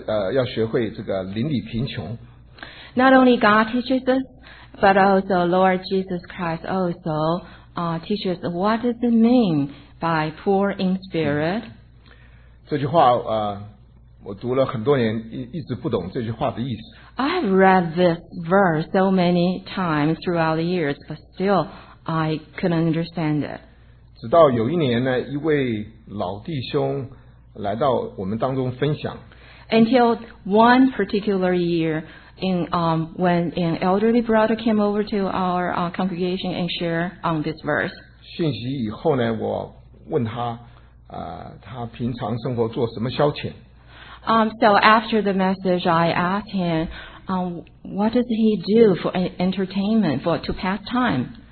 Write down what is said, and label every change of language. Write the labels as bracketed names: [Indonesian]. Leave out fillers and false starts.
[Chinese] 不但神在教导我们，主耶稣也告诉我们，什么叫做要学会这个邻里贫穷。 [English] Not only God teaches us, but also Lord Jesus Christ also teaches what does it mean by poor in spirit. [Chinese] 这句话我读了很多年，一直不懂这句话的意思。 [English] I have read this verse so many times throughout the years, but still I couldn't understand it. [Chinese] 直到有一年呢，一位老弟兄来到我们当中分享。 Until one particular year, when an elderly brother came over to our congregation and shared on this verse. 信息以后呢，我问他。他平常生活做什么消遣? [English] So after the message, I asked him, what does he do for entertainment, to pass time?